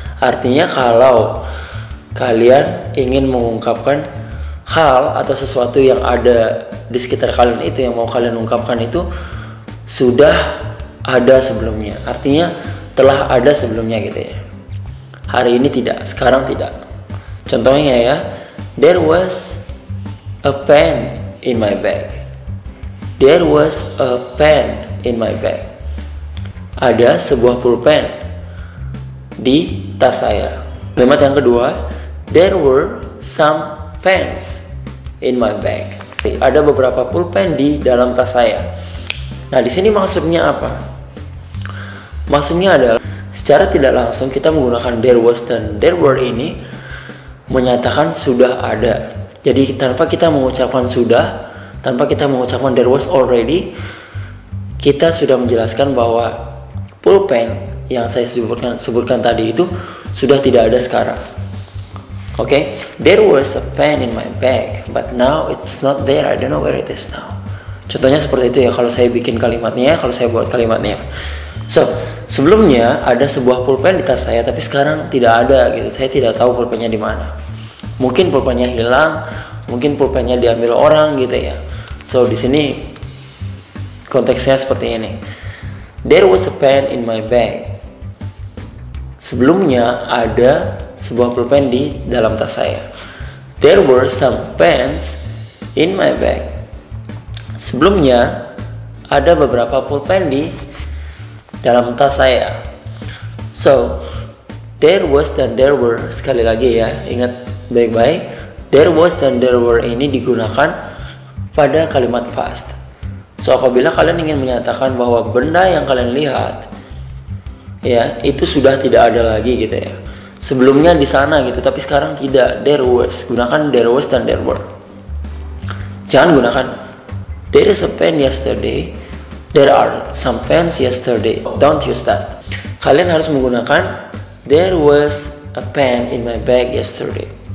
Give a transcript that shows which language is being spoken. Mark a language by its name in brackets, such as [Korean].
[Indonesian] Artinya kalau kalian ingin mengungkapkan hal atau sesuatu yang ada di sekitar kalian itu, yang mau kalian ungkapkan itu sudah ada sebelumnya. Artinya telah ada sebelumnya gitu ya. Hari ini tidak, sekarang tidak. Contohnya ya, [English] there was a pen in my bag. There was a pen in my bag. [Indonesian] Ada sebuah pulpen di tas saya. Kalimat yang kedua, [English] there were some pens in my bag. [Indonesian] Ada beberapa pulpen di dalam tas saya. Nah, di sini maksudnya apa? Maksudnya adalah secara tidak langsung kita menggunakan there was dan there were ini menyatakan sudah ada. Jadi tanpa kita mengucapkan sudah, tanpa kita mengucapkan [English] there was already, [Indonesian] kita sudah menjelaskan bahwa pulpen yang saya sebutkan tadi itu sudah tidak ada sekarang. Oke, okay? [English] There was a pen in my bag, but now it's not there. I don't know where it is now. [Indonesian] Contohnya seperti itu ya, kalau saya bikin kalimatnya, kalau saya buat kalimatnya. So, sebelumnya ada sebuah pulpen di tas saya, tapi sekarang tidak ada gitu. Saya tidak tahu pulpennya di mana. Mungkin pulpennya hilang, mungkin pulpennya diambil orang gitu ya. So, di sini konteksnya seperti ini. [English] There was a pen in my bag. [Indonesian] Sebelumnya ada sebuah pulpen di dalam tas saya. [English] There were some pens in my bag. [Indonesian] Sebelumnya ada beberapa pulpen di dalam tas saya. So, there was dan there were, sekali lagi ya, ingat baik-baik. There was dan there were ini digunakan pada kalimat past. So, apabila kalian ingin menyatakan bahwa benda yang kalian lihat ya, itu sudah tidak ada lagi gitu ya. Sebelumnya di sana gitu, tapi sekarang tidak. [English] There was, gunakan there was dan there were. [Indonesian] Jangan gunakan [English] there is a pen yesterday, there are some pens yesterday. Don't use that. [Indonesian] Kalian harus menggunakan [English] there was a pen in my bag yesterday.